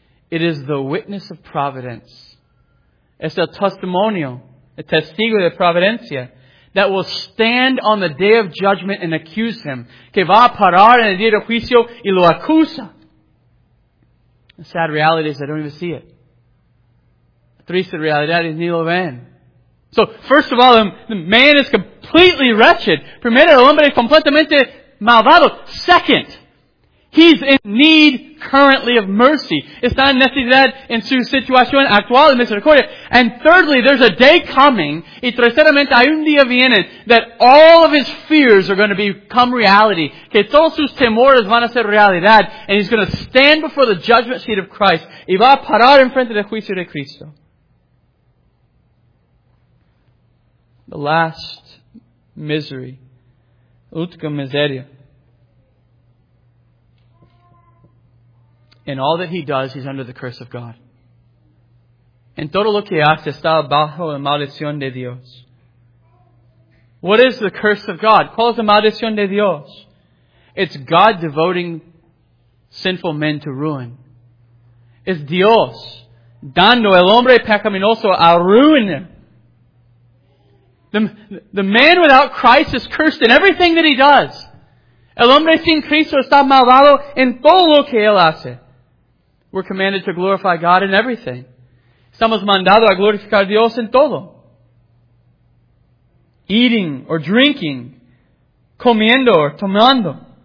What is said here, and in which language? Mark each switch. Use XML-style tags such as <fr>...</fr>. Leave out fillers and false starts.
<en>It is the witness of providence.</en> <es>Es el testimonio, el testigo de providencia,</es> <en>that will stand on the day of judgment and accuse him.</en> <es>Que va a parar en el día de juicio y lo acusa.</es> <en>The sad reality is they don't even see it.</en> <es>La triste realidad es ni lo ven.</es> <en>So, first of all, the man is completely wretched.</en> <es>Primero, el hombre es completamente malvado.</es> <en>Second, he's in need currently of mercy.</en> <es>Está en necesidad en su situación actual de misericordia.</es> <en>And thirdly, there's a day coming,</en> <es>y terceramente hay un día viene,</es> <en>that all of his fears are going to become reality.</en> <es>Que todos sus temores van a ser realidad.</es> <en>And he's going to stand before the judgment seat of Christ.</en> <es>Y va a parar en frente del juicio de Cristo.</es> <en>The last misery.</en> <es>Última miseria.</es> <en>In all that he does, he's under the curse of God.</en> <es>En todo lo que hace, está bajo la maldición de Dios.</es> <en>What is the curse of God?</en> <es>¿Cuál es la maldición de Dios?</es> <en>It's God devoting sinful men to ruin.</en> <es>It's Dios dando el hombre pecaminoso a ruin.</es> <en>The man without Christ is cursed in everything that he does.</en> <es>El hombre sin Cristo está malvado en todo lo que él hace.</es> <en>We're commanded to glorify God in everything.</en> <es>Estamos mandados a glorificar a Dios en todo.</es> <en>Eating or drinking,</en> <es>comiendo or tomando.</es>